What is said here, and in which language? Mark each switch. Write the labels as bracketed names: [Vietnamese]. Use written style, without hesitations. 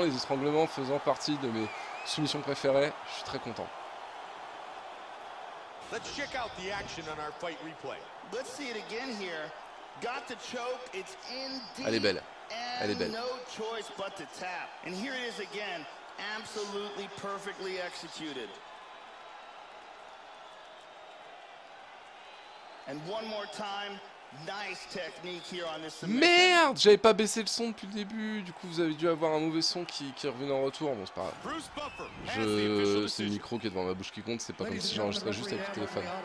[French] Les étranglements faisant partie de mes soumissions préférées. Je suis très content. [English] Let's check out the action on our fight replay. Let's see it again here. Got the choke, it's in deep. [French] Elle est belle. Elle est belle. [English] No choice but to tap. And here it is again, absolutely perfectly executed. And one more time, nice technique here on this submission. [French] Merde, j'avais pas baissé le son depuis le début. Du coup, vous avez dû avoir un mauvais son qui est revenu en retour. Bon, c'est pas grave. Bruce Buffer, c'est le micro qui est devant ma bouche qui compte. C'est pas comme si j'enregistrais juste avec le téléphone.